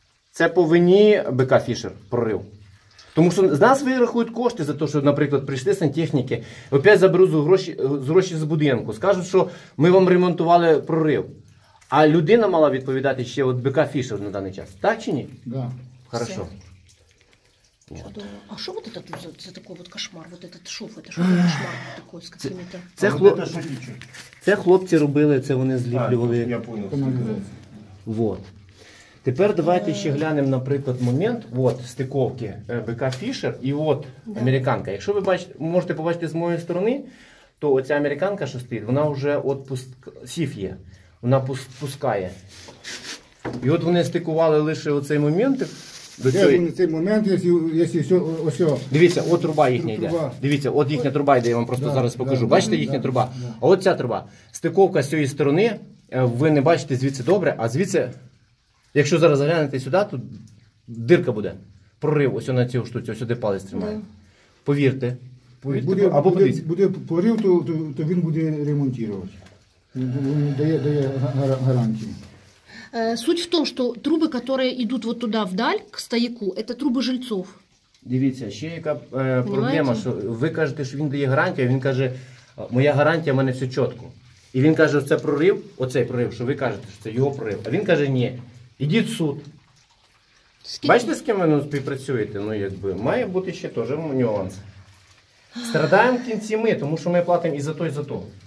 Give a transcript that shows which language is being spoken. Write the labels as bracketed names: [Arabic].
[Ukrainian] Це по вині БК Фішер, прорив. Тому що з нас вирахують кошти за те, що, наприклад, прийшли сантехніки, опять заберуть гроші з будинку, скажуть, що ми вам ремонтували прорив. А людина мала відповідати ще от БК Фішер на даний час. Так чи ні? Так. Да. [Russian] Хорошо. Вот. [Ukrainian] А що [Russian] вот этот за такой вот кошмар? Вот этот шов, это шов кошмар такой с какими-то. [Ukrainian] Це хлопці робили, це вони зліплювали. [Russian] Я понял. [Ukrainian] Вот. Тепер давайте ще глянемо, наприклад, момент от стиковки БК Фішер і от американка. Якщо ви бачите, можете побачити з моєї сторони, то оця американка, що стоїть, вона вже от сів є. Вона пускає. І от вони стикували лише оцей момент. До цей момент, якщо все... Дивіться, от труба їхня йде. Дивіться, от їхня труба йде, я вам просто зараз покажу. Бачите їхня труба? А от ця труба. Стиковка з цієї сторони, ви не бачите звідси добре, а звідси, якщо зараз заглянете сюди, то дирка буде. Прорив ось на цю штуці, ось де палець тримає. Повірте. Або подивіться. Буде прорив, то він буде ремонтувати. Дає гарантію. [Russian] Суть в том, что трубы, которые идут вот туда вдаль, к стояку, это трубы жильцов. [Ukrainian] Дивіться, ще яка проблема, що ви кажете, що він дає гарантію, він каже, моя гарантія, в мене все чітко. І він каже, що це прорив, оцей прорив, що ви кажете, що це його прорив. А він каже, ні, ідіть в суд. Бачите, з ким ви співпрацюєте? Ну, якби, має бути ще теж нюанс. Страдаємо в кінці ми, тому що ми платимо і за то.